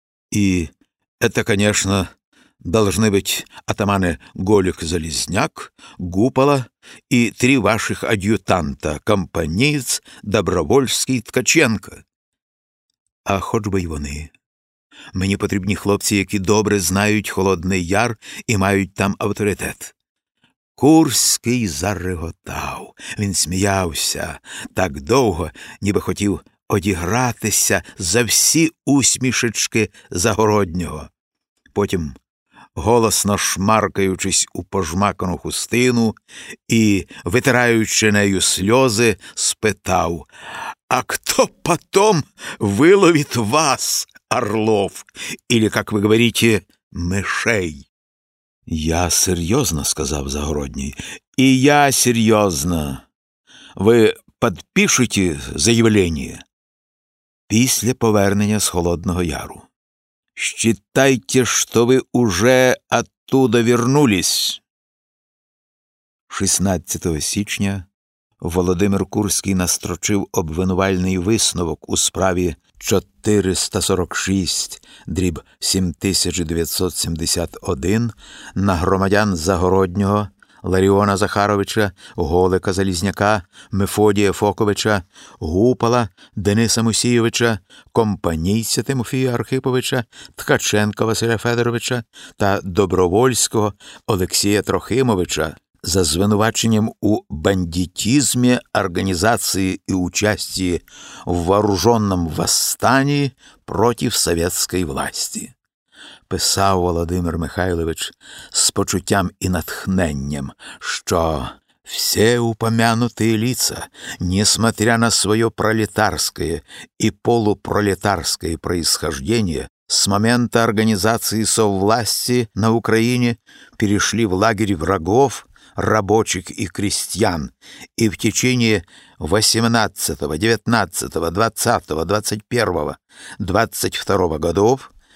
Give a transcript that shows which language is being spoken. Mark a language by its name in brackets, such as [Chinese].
[Ukrainian] І це, звісно, [Russian] должны быть атаманы Голик-Залезняк, Гупола и 3 ваших адъютанта, компанеец Добровольский, Ткаченко. [Ukrainian] А хоч би й вони. Мені потрібні хлопці, які добре знають Холодний Яр і мають там авторитет». Курський зареготав. Він сміявся так довго, ніби хотів одігратися за всі усмішечки Загороднього. Потім, голосно шмаркаючись у пожмакану хустину і витираючи нею сльози, спитав: «А хто [Russian] потом виловит вас, орлов, или, [Ukrainian] як ви говорите, мишей?» «Я серйозно», – сказав Загородній. «І я серйозно. Ви підпишете заявлення після повернення з Холодного Яру. [Russian] Считайте, что вы уже оттуда вернулись». [Ukrainian] 16 січня Володимир Курський настрочив обвинувальний висновок у справі 446/7971 на громадян Загороднього, Ларіона Захаровича, Голика Залізняка, Мефодія Фоковича, Гупала, Дениса Мусійовича, компанійця Тимофія Архиповича, Ткаченка Василя Федоровича та Добровольського Олексія Трохимовича за звинуваченням у бандитизмі, організації і участі в вооруженному восстанні проти совєтської власті. Писав Володимир Михайлович з почуттям і натхненням, що [Russian] «все упомянутые лица, несмотря на свое пролетарское и полупролетарское происхождение, с момента организации совласти на Украине перешли в лагерь врагов, рабочих и крестьян, и в течение 18, 19, 20, 21, 22 годов